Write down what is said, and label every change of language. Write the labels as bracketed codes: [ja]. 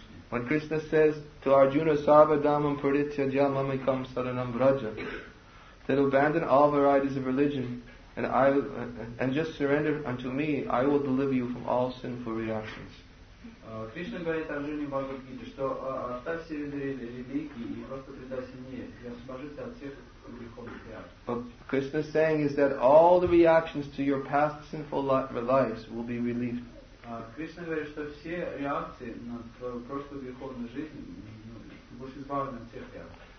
[en] When Krishna says to Arjuna, [sa] Sarva Dhammam Parityajya Mamekam Saranam Vraja, [en] that abandon all varieties of religion and I and just surrender unto me, I will deliver you from all sinful reactions. [ru] Krishna говорит Арджуне в Бхагавад-гите, что оставь все виды религии и просто предайся мне, и освобожись от всех греховных реакций. [en] But Krishna is saying is that all the reactions to your past sinful lives will be relieved. [ru] Krishna говорит, что все реакции на твою прошлую греховную жизнь будут избавлены от всех реакций.